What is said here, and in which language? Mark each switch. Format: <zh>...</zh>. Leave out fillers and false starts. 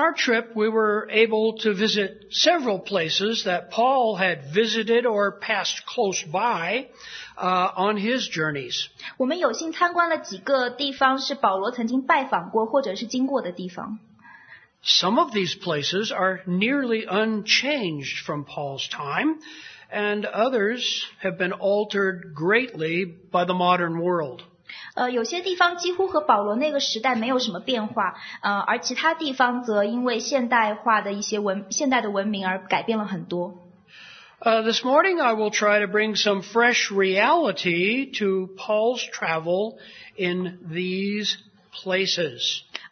<en>our trip, we were able to visit several places that Paul had visited or passed close by on his journeys.</en> <zh>我们有幸参观了几个地方是保罗曾经拜访过或者是经过的地方。</zh> <en>Some of these places are nearly unchanged from Paul's time, and others have been altered greatly by the modern world.</en> <zh>有些地方几乎和保罗那个时代没有什么变化，而其他地方则因为现代化的一些文明而改变了很多。</zh> <en>This morning I will try to bring some fresh reality to Paul's travel in these places.</en>